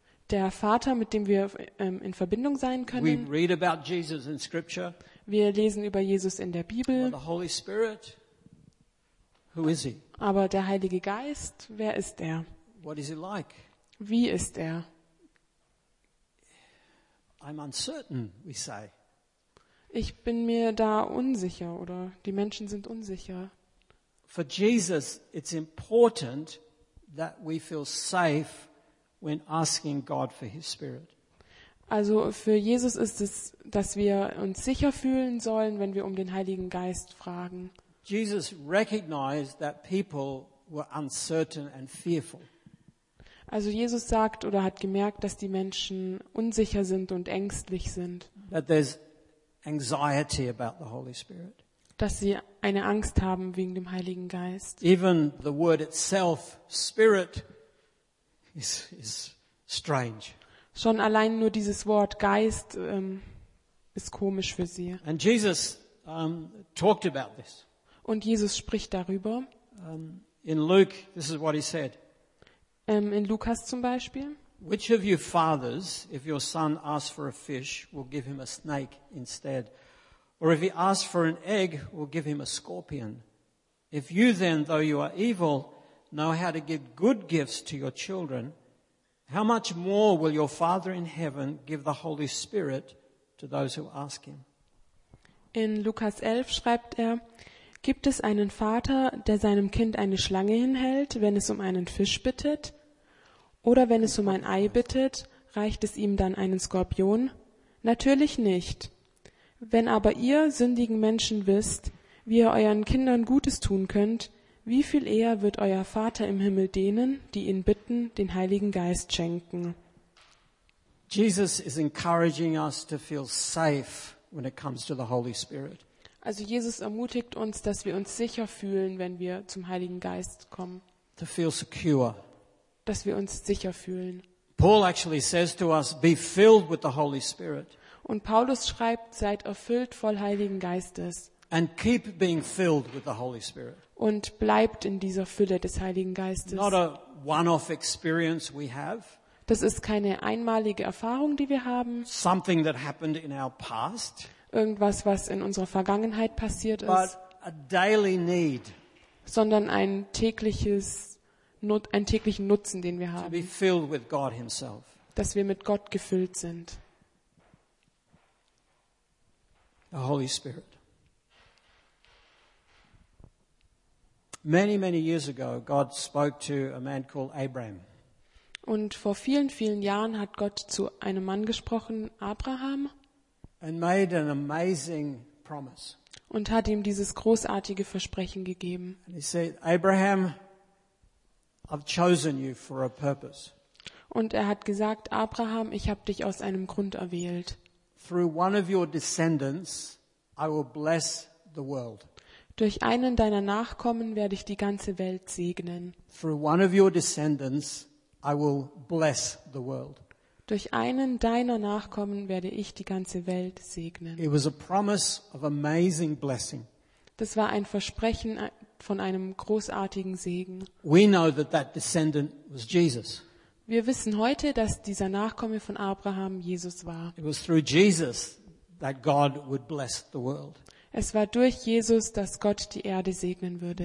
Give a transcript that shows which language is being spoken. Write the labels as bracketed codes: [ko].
[de] Der Vater, mit dem wir in Verbindung sein können. [en] We read about Jesus in Scripture. [de] Wir lesen über Jesus in der Bibel. [en] The Holy Spirit, who is he? [de] Aber der Heilige Geist, wer ist er? [en] What is he like? [de] Wie ist er? [en] I'm uncertain, we say. [de] Ich bin mir da unsicher, oder die Menschen sind unsicher. [en] For Jesus, it's important that we feel safe when asking God for his spirit. [de] Also für Jesus ist es, dass wir uns sicher fühlen sollen, wenn wir um den Heiligen Geist fragen. [en] Jesus recognized that people were uncertain and fearful. [de] Also Jesus sagt oder hat gemerkt, dass die Menschen unsicher sind und ängstlich sind. [en] That there's anxiety about the Holy Spirit. [de] Dass sie eine Angst haben wegen dem Heiligen Geist. [en] Even the word itself, spirit, is strange. [de] Schon allein nur dieses Wort Geist ist komisch für sie. [en] And Jesus talked about this. [de] Und Jesus spricht darüber. [en] In Luke, this is what he said. [de] In Lukas zum Beispiel. [en] Which of you fathers, if your son asks for a fish, will give him a snake instead? Or if he asks for an egg, will give him a scorpion? If you then, though you are evil, know how to give good gifts to your children, how much more will your Father in heaven give the Holy Spirit to those who ask him? [de] In Lukas 11 schreibt er, gibt es einen Vater, der seinem Kind eine Schlange hinhält, wenn es um einen Fisch bittet? Oder wenn es um ein Ei bittet, reicht es ihm dann einen Skorpion? Natürlich nicht. Wenn aber ihr sündigen Menschen wisst, wie ihr euren Kindern Gutes tun könnt, wie viel eher wird euer Vater im Himmel denen, die ihn bitten, den Heiligen Geist schenken? [en] Jesus is encouraging us to feel safe when it comes to the Holy Spirit. [de] Also Jesus ermutigt uns, dass wir uns sicher fühlen, wenn wir zum Heiligen Geist kommen. [en] To feel secure. [de] Dass wir uns sicher fühlen. [en] Paul actually says to us, be filled with the Holy Spirit. [de] Und Paulus schreibt, seid erfüllt voll Heiligen Geistes. [en] And keep being filled with the Holy Spirit. [de] Und bleibt in dieser Fülle des Heiligen Geistes. [en] Not a one-off experience we have. [de] Das ist keine einmalige Erfahrung, die wir haben. [en] Something that happened in our past. [de] Irgendwas, was in unserer Vergangenheit passiert ist. [en] But a daily need. [de] Sondern einen täglichen Nutzen, den wir haben. [en] To be filled with God himself. [de] Dass wir mit Gott gefüllt sind. [en] The Holy Spirit. Many, many years ago, God spoke to a man called Abraham. [de] Und vor vielen, vielen Jahren hat Gott zu einem Mann gesprochen, Abraham. [en] And made an amazing promise. [de] Und hat ihm dieses großartige Versprechen gegeben. [en] And he said, Abraham, I've chosen you for a purpose. [de] Und er hat gesagt, Abraham, ich habe dich aus einem Grund erwählt. [en] Through one of your descendants, I will bless the world. [de] Durch einen deiner Nachkommen werde ich die ganze Welt segnen. [en] Through one of your descendants, I will bless the world. [de] Durch einen deiner Nachkommen werde ich die ganze Welt segnen. [en] It was a promise of amazing blessing. [de] Das war ein Versprechen von einem großartigen Segen. [en] We know that that descendant was Jesus. [de] Wir wissen heute, dass dieser Nachkomme von Abraham Jesus war. [en] It was through Jesus that God would bless the world. [de] Es war durch Jesus, dass Gott die Erde segnen würde.